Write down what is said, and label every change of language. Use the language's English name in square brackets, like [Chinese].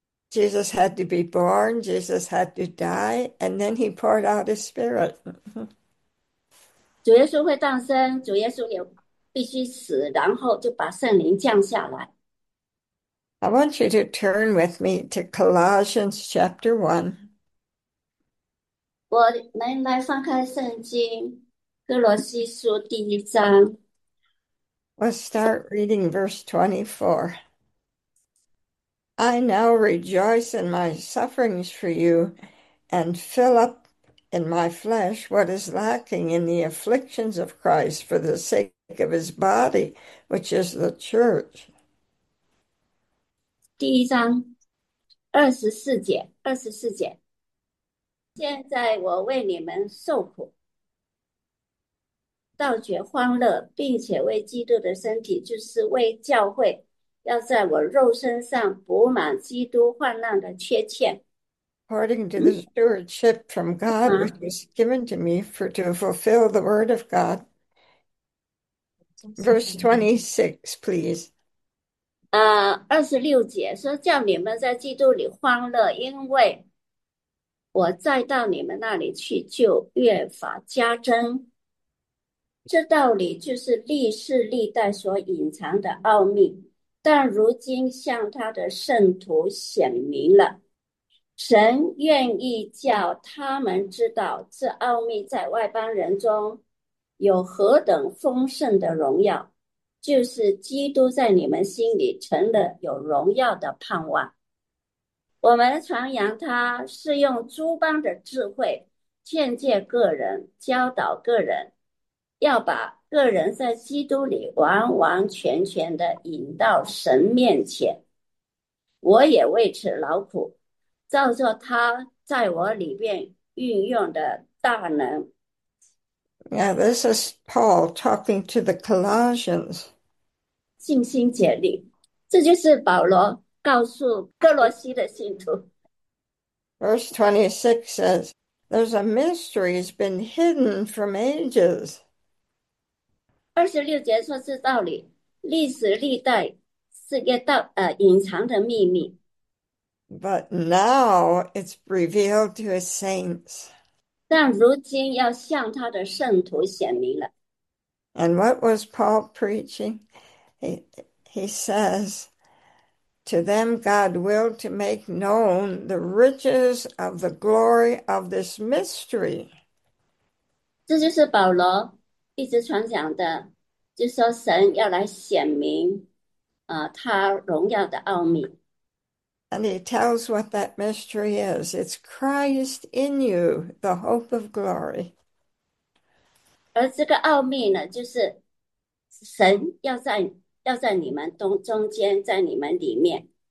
[English] Jesus had to be born, Jesus had to die, and then he poured out his spirit. [Chinese] 主耶稣会诞生，主耶稣也必须死，然后就把圣灵降下来。 [English] I want you to turn with me to Colossians chapter 1. [Chinese] 我们来翻开圣经，哥罗西书第一章。 [English] We'll start reading verse 24. I now rejoice in my sufferings for you and fill up in my flesh what is lacking in the afflictions of Christ for the sake of his body, which is the church. [Chinese] 第一章24节，24节。现在我为你们受苦，倒觉欢乐，并且为基督的身体，就是为教会，要在我肉身上补满基督患难的缺欠。 [English] According to the stewardship from God, which was given to me for to fulfill the word of God. Verse 26, please. [Chinese] 26节说叫你们在基督里欢乐，因为我再到你们那里去，就越发加增。这道理就是历世历代所隐藏的奥秘，但如今向他的圣徒显明了。神愿意叫他们知道这奥秘在外邦人中有何等丰盛的荣耀，就是基督在你们心里成了有荣耀的盼望。我们传扬他是用诸般的智慧劝诫个人，教导个人。要把个人在基督里完完全全的引到神面前，我也为此劳苦，照着他在我里边运用的大能。 [English] Now, this is Paul talking to the Colossians. [Chinese] 尽心竭力，这就是保罗告诉哥罗西的信徒。 [English] Verse 26 says, "There's a mystery that's been hidden from ages." [Chinese] 26节说这道理，历史历代是个道，隐藏的秘密。 [English] But now it's revealed to his saints. [Chinese] 但如今要向他的圣徒显明了。 [English] And what was Paul preaching? He says, to them God willed to make known the riches of the glory of this mystery. [Chinese] 这就是保罗一直传讲的。就说神要来显明，他荣耀的奥秘。 [English] And he tells what that mystery is. It's Christ in you, the hope of glory. [Chinese] 而这个奥秘呢，就是神要在你们中间，在你们里面。